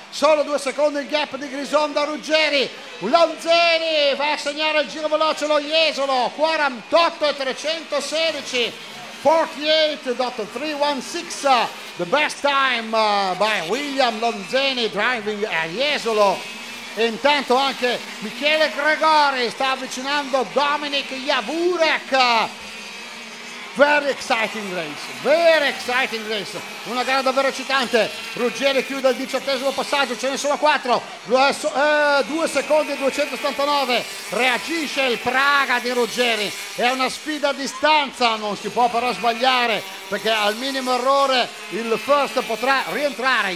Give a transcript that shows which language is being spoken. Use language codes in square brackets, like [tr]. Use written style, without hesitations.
[it] Solo 2 secondi il gap di Grisonda, Ruggeri, Lanzeni va a segnare il giro veloce, lo jesolo, 48.316, 48.316, [en] the best time by William Lanzeni driving a jesolo. [it] E intanto anche Michele Gregori sta avvicinando Dominic Jaburek, [en] Very exciting race, very exciting race. [it] Una gara davvero eccitante. Ruggeri chiude il 18° passaggio, ce ne sono 4. 2 secondi e 289. Reagisce il Praga di Ruggeri. È una sfida a distanza, non si può però sbagliare, perché al minimo errore il first potrà rientrare.